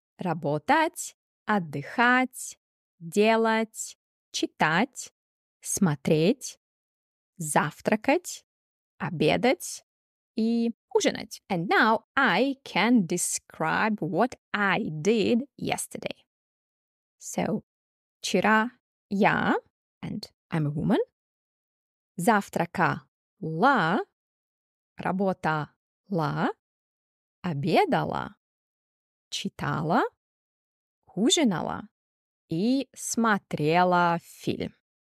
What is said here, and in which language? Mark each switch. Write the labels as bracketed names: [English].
[Russian] Работать, отдыхать, делать, читать, смотреть, завтракать, обедать и ужинать. [English] And now I can describe what I did yesterday. [Russian] So, вчера я, [English] and I'm a woman, [Russian] завтракала, работала, обедала, читала, ужинала и смотрела фильм.